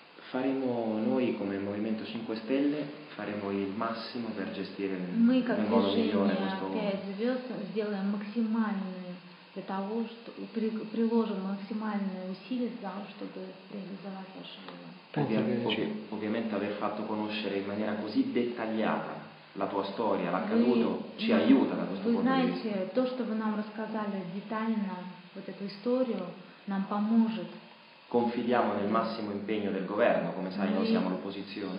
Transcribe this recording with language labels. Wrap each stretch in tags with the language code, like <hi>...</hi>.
<it>Faremo noi come Movimento 5 Stelle, faremo il massimo per gestire nel modo migliore questo.</it> <ru>Мы как движение 5 звезд сделаем максимальные для того, что приложим максимальные усилия для того, чтобы реализовать нашу волю.</ru> <it>Ovviamente aver fatto conoscere in maniera così dettagliata la tua storia, l'accaduto, ci aiuta da questo punto di vista.</it> <ru>То, что вы нам рассказали детально вот эту историю, нам поможет.</ru> <it>Confidiamo nel massimo impegno del governo, come sai, noi siamo l'opposizione.</it>